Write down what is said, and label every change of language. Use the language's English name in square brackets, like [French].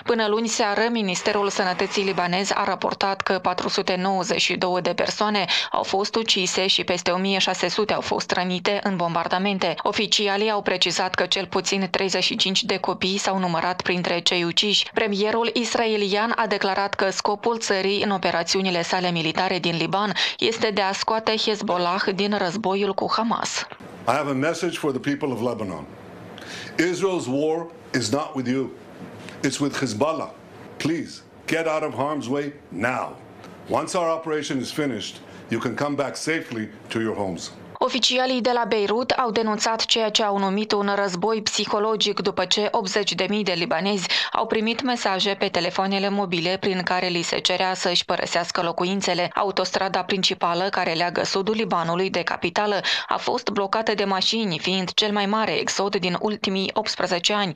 [Romanian] Până luni seară, Ministerul Sănătății libanez a raportat că 492 de persoane au fost ucise și peste 1600 au fost rănite în bombardamente. Oficialii au precizat că cel puțin 35 de copii s-au numărat printre cei uciși. Premierul israelian a declarat că scopul țării în operațiunile sale militare din Liban este de a scoate Hezbollah din războiul cu Hamas. [English] I have a message for the people of Lebanon. Israel's war is not with you. It's with Hezbollah. Please get out of harm's way now. Once our operation is finished, you can come back safely to your homes. [Romanian] Oficialii de la Beirut au denunțat ceea ce au numit un război psihologic după ce 80.000 de libanezi au primit mesaje pe telefoanele mobile prin care li se cerea să își părăsească locuințele. Autostrada principală care leagă sudul Libanului de capitală a fost blocată de mașini, fiind cel mai mare exod din ultimii 18 ani.